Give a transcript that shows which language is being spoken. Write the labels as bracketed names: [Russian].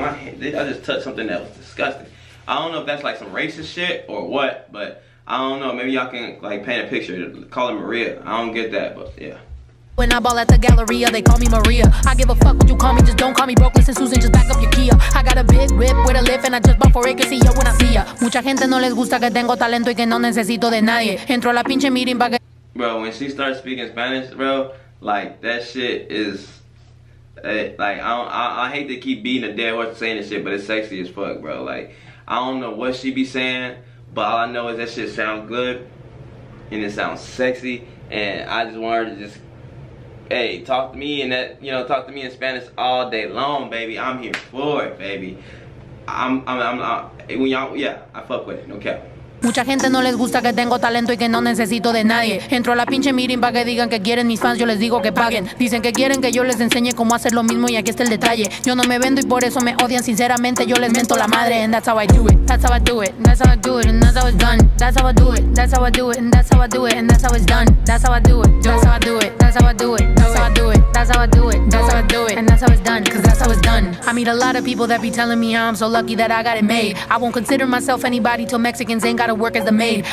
[English] I just touched something that was disgusting. I don't know if that's like some racist shit or what, but I don't know. Maybe y'all can like paint a picture. Call it Maria. I don't get that, but yeah. When I ball at the Galleria, they call me Maria. I give a fuck what you call me, just don't call me broke. Listen, Susan, just back up your Kia. I got a big whip with a lift, and I just bought 4 acres here when I see ya. [Spanish] Mucha gente no les gusta que tengo talento y que no necesito de nadie. Entro a la pinche meeting, but. [English] Bro, when she starts speaking Spanish, bro. Like, that shit is, like, I hate to keep beating a dead horse saying this shit, but it's sexy as fuck, bro. Like, I don't know what she be saying, but all I know is that shit sounds good, and it sounds sexy, and I just want her to just, hey, talk to me in that, you know, talk to me in Spanish all day long, baby. I'm here for it, baby. I'm when y'all, yeah, I fuck with it, no cap. [Spanish] Mucha gente no les gusta que tengo talento y que no necesito de nadie. Entro a la pinche meeting pa' que digan que quieren mis fans, yo les digo que paguen. Dicen que quieren que yo les enseñe cómo hacer lo mismo y aquí está el detalle. Yo no me vendo y por eso me odian, sinceramente yo les mento la madre. [English] And that's how I do it, that's how I do it, that's how I do it, and that's how it's done. That's how I do it, that's how I do it, that's how I do it, and that's how it's done. That's how I do it, that's how I do it, that's how I do it, that's how I do it, that's how I do it, that's how I do it, that's how I do it, and that's how it's done, cause that's how it's done. I meet a lot of people that be telling me I'm so lucky that I got it made. I won't consider myself anybody till Mexicans ain't gotta work as the maid.